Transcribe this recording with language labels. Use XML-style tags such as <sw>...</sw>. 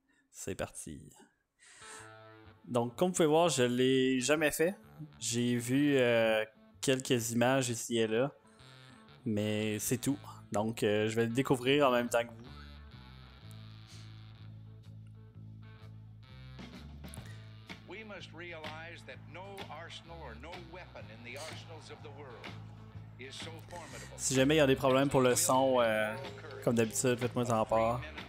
<fr>C'est parti. Donc, comme vous pouvez voir, je l'ai jamais fait. J'ai vu quelques images ici et là. Mais c'est tout. Donc, je vais le découvrir en même temps que vous.</fr> <en>We must realize that no arsenal or no weapon in the arsenals of the world is so formidable.</en> <fr>Si jamais il y a des problèmes pour le son, comme d'habitude, faites-moi en part.</fr>